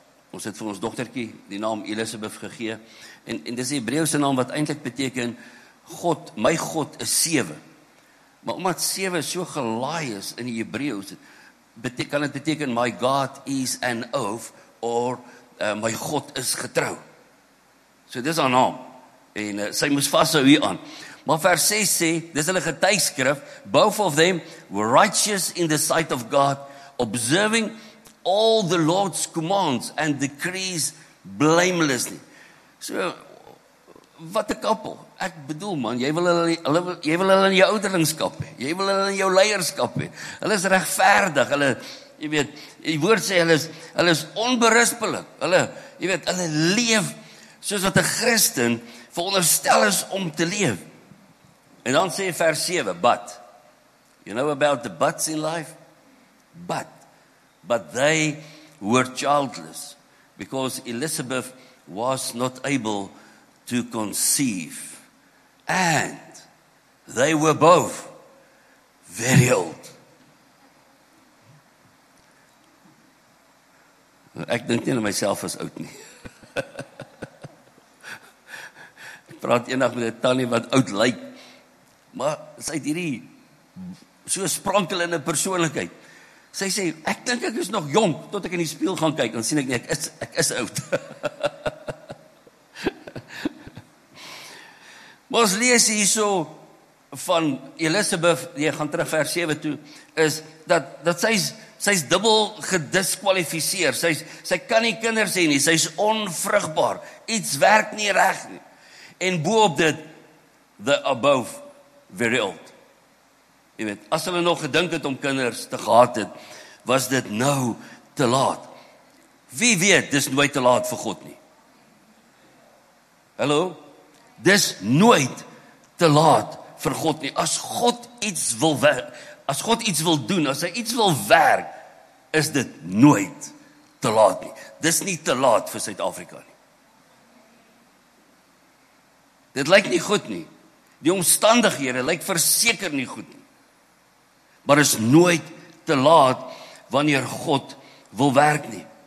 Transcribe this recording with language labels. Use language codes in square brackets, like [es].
[af] Ons het vir ons dogtertjie die naam Elizabeth gegee. En dis die Hebreëse naam wat eintlik beteken God, my God is sewe. Maar omdat sewe so gelaai is in die Hebreëse, kan dit beteken my God is [en] an oath or [af] my God is getrou. So dis haar naam. En sy moes vashou hier aan. Maar vers 6 sê, dis hulle getuigskrif, [en] both of them were righteous in the sight of God, observing all the Lord's commands and decrees blamelessly. [af] So, wat 'n koppel. Ek bedoel man, jy wil hulle in jou ouderlingskap hê. Jy wil hulle in jou leierskap hê. Hulle is regverdig. Hulle, jy weet, die woord sê hulle is onberispelik. Hulle, jy weet, hulle leef soos wat 'n Christen veronderstel is om te leef. En dan sê vers 7, [en] but you know about the buts in life? But they were childless because Elizabeth was not able to conceive, and they were both very old. [af] Ek dink nie aan myself as oud nie. Ek praat eendag met 'n tannie wat oud lyk, maar sy het hierdie so sprankelende persoonlikheid. Sy sê, ek dink ek is nog jong, tot ek in die spieël gaan kyk, dan sien ek nie, ek is oud. Maar ons lees hierso van Elizabeth, jy gaan terug vers 7 toe, is dat sy is dubbel gediskwalifiseer, sy kan nie kinders hê nie, sy is onvrugbaar, iets werk nie reg nie. En boop dit, [en] the above very old. [af] Jy weet, as hulle nog gedink het om kinders te gehad het, was dit nou te laat. Wie weet, dis nooit te laat vir God nie. Hallo? Dis nooit te laat vir God nie. As God iets wil doen, as hy iets wil werk, is dit nooit te laat nie. Dis nie te laat vir Suid-Afrika nie. Dit lyk nie goed nie. Die omstandighede lyk verseker nie goed nie. Maar is nooit te laat wanneer God wil werk nie.